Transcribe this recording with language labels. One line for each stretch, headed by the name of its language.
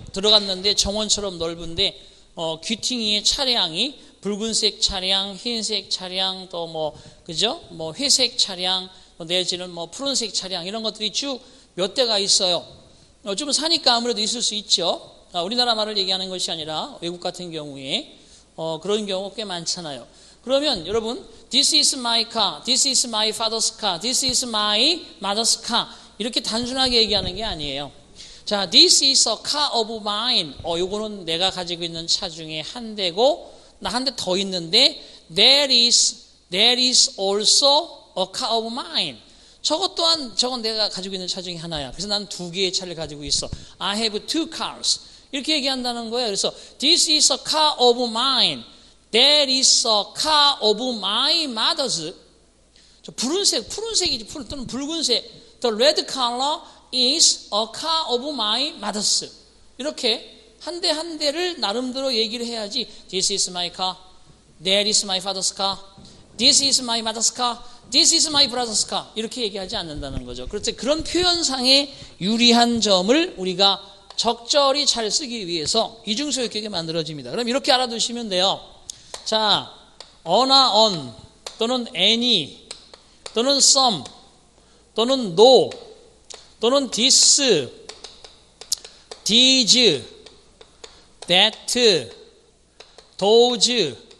Korean: 들어갔는데 정원처럼 넓은데 귀퉁이의 차량이 붉은색 차량, 흰색 차량, 또 뭐 그죠? 뭐 회색 차량, 내지는 뭐 푸른색 차량 이런 것들이 쭉 몇 대가 있어요. 좀 사니까 아무래도 있을 수 있죠. 우리나라 말을 얘기하는 것이 아니라 외국 같은 경우에 그런 경우 꽤 많잖아요. 그러면 여러분
English: This is my car, This is my father's car, This is my mother's car
Korean: 이렇게 단순하게 얘기하는 게 아니에요.
English: 자, This is a car of mine.
Korean: 이거는 내가 가지고 있는 차 중에 한 대고 나 한 대 더 있는데
English: There is also a car of mine.
Korean: 저것 또한 저건 내가 가지고 있는 차 중에 하나야. 그래서 난 두 개의 차를 가지고 있어.
English: I have two cars.
Korean: 이렇게 얘기한다는 거예요. 그래서
English: This is a car of mine. There is a car of my mother's.
Korean: 저 붉은색, 푸른색이지, 또는 붉은색.
English: The red color is a car of my mother's.
Korean: 이렇게 한 대 한 대를 나름대로 얘기를 해야지.
English: This is my car. There is my father's car. This is my mother's car. This is my brother's car.
Korean: 이렇게 얘기하지 않는다는 거죠. 그렇지. 그런 표현상의 유리한 점을 우리가 적절히 잘 쓰기 위해서 이중소유격이 만들어집니다. 그럼 이렇게 알아두시면 돼요. 자, on, on, 또는 any, 또는 some, 또는 no, 또는 this, these, that, those.